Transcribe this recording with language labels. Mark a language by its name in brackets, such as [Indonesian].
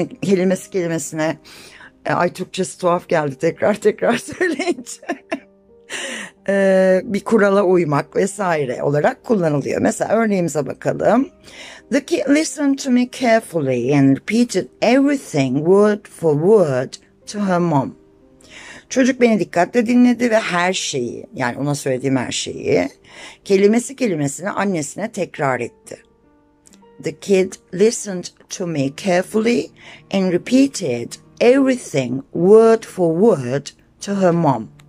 [Turkish] Kelimesi kelimesine... Ay Türkçesi tuhaf geldi tekrar söyleyince... bir kurala uymak vesaire olarak kullanılıyor. Mesela örneğimize bakalım. [English] The kid listened to me carefully and repeated everything word for word to her mom. [Turkish] Çocuk beni dikkatle dinledi ve her şeyi, yani ona söylediğim her şeyi, kelimesi kelimesine annesine tekrar etti. [English] The kid listened to me carefully and repeated everything word for word to her mom.